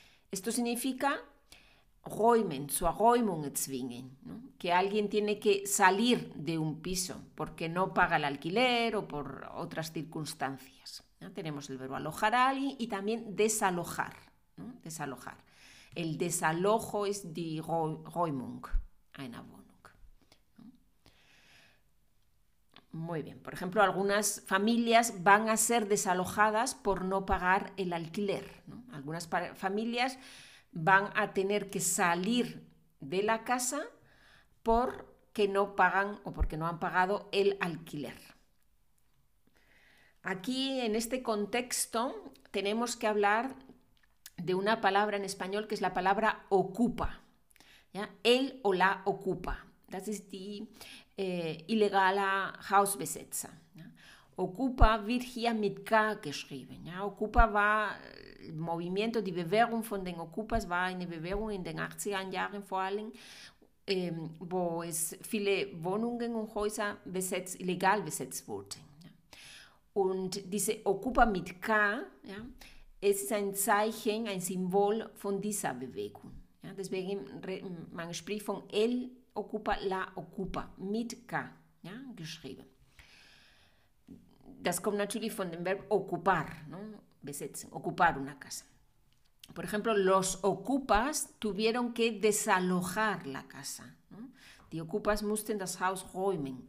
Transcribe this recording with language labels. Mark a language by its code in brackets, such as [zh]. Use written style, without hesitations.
[es] Esto significa [de] räumen, zur Räumung zwingen, [es] ¿no? Que alguien tiene que salir de un piso porque no paga el alquiler o por otras circunstancias, ¿no? Tenemos el verbo alojar a alguien y también desalojar, ¿no? Desalojar. El desalojo es [de] die Räumung einer Wohnung. [es] Muy bien. Por ejemplo, algunas familias van a ser desalojadas por no pagar el alquiler, ¿no? Algunas familias van a tener que salir de la casa porque no pagan o porque no han pagado el alquiler. Aquí, en este contexto, tenemos que hablar de una palabra en español que es la palabra ocupa, ¿ya? El o la ocupa. [de] Das ist die illegale Hausbesetzer, ¿ya? Ocupa wird hier mit K geschrieben, ¿ya? Ocupa war [es] el movimiento, [de] die Bewegung von den Ocupas war eine Bewegung in den 80er Jahren vor allem, wo es viele Wohnungen und Häuser besetzt, illegal besetzt wurden, ¿ya? Und diese Ocupa mit K, ¿ya? Es ist ein Zeichen, ein Symbol von dieser Bewegung. Ja, deswegen man spricht von El Ocupa, La Ocupa, mit K, ja, geschrieben. Das kommt natürlich von dem Verb ocupar, ¿no? [es] Besetzen, ocupar una casa. Por ejemplo, los Ocupas tuvieron que desalojar la casa, ¿no? [de] Die Ocupas mussten das Haus räumen.